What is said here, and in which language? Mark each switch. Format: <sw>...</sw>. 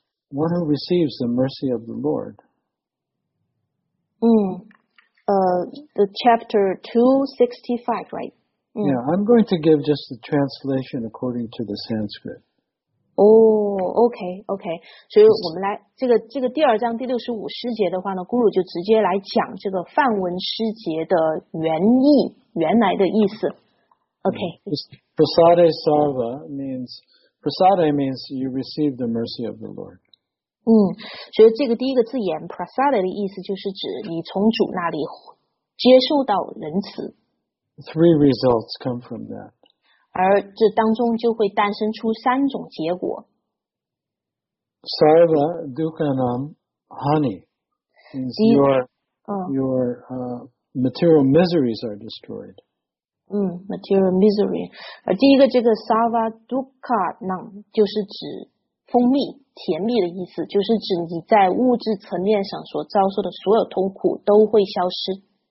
<en>One who receives the mercy of the Lord. The chapter 265, right? Yeah, I'm going to give just the translation according to the Sanskrit. Okay.</en> <zh>所以我们来这个第二章第65师节的话呢，Guru就直接来讲这个梵文师节的原意原来的意思。Okay.</zh> <en>Prasade sarva means prasade means you receive the mercy of the Lord.</en> <zh>所以这个第一个字眼 prasade 的意思就是指你从主那里接受到仁慈。</zh> <en>Three results come from that.</en> <zh>而这当中就会诞生出三种结果。</zh> <en>Sarva dukanam hani means your material miseries are destroyed. Material misery.</en> <zh>第一个这个 sarva dukanam 就是指蜂蜜甜蜜的意思，就是指你在物质层面上所遭受的所有痛苦都会消失。</zh>